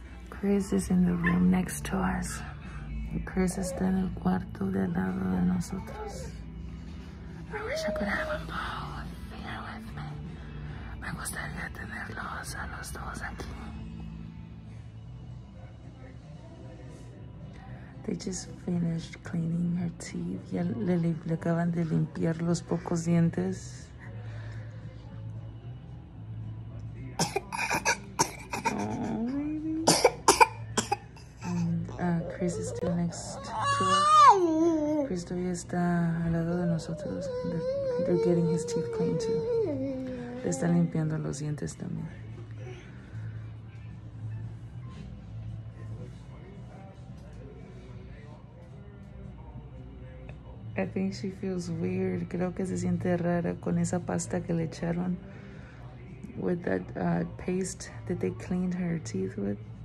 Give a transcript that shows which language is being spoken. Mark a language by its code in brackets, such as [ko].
[en] Chris is in the room next to us. [es] Chris está en el cuarto de al lado de nosotros. [en] I wish I could have them both here with me. [es] Me gustaría tenerlos a los dos aquí. [en] They just finished cleaning her teeth. [es] Ya le acaban de limpiar los pocos dientes. [en] Oh, baby. Chris is still next to us. [es] Chris todavía está al lado de nosotros. [en] They're getting his teeth cleaned too. [es] Le están limpiando los dientes también. [en] I think she feels weird. [es] Creo que se siente rara con esa pasta que le echaron. [en] With that paste that they cleaned her teeth with.